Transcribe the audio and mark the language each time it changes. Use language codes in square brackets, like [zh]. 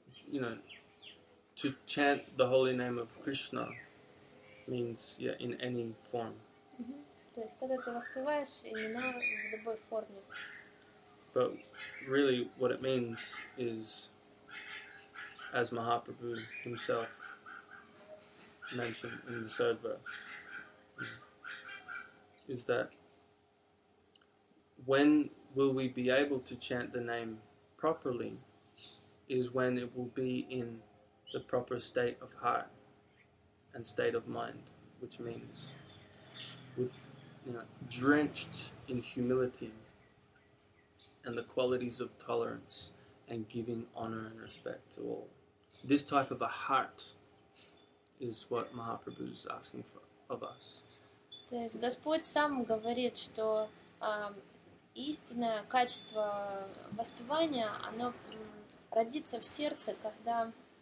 [en] You know, to chant the holy name of Krishna means, yeah, in any form. [ru] То есть, когда ты воспеваешь имена в любой форме. [en] But really what it means is, as Mahaprabhu himself mentioned in the third verse, is that when will we be able to chant the name properly is when it will be in the proper state of heart and state of mind, which means with, you know, drenched in humility and the qualities of tolerance and giving honor and respect to all. This type of a heart is what Mahaprabhu is asking for of us. [ru] То есть Господь сам говорит, что истинное качество воспевания, оно родится в сердце, когда